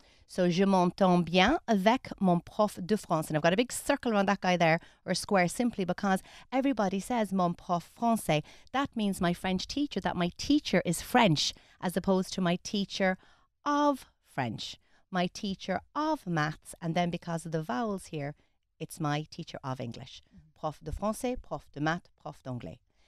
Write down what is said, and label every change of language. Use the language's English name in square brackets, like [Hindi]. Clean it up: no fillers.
[French] So, je m'entends bien avec mon prof de français. [English] And I've got a big circle around that guy there, or a square, simply because everybody says [French] mon prof français. [English] That means my French teacher, that my teacher is French, as opposed to my teacher of French, my teacher of maths, and then because of the vowels here, it's my teacher of English. Mm-hmm. [French] Prof de français, prof de maths, prof d'anglais.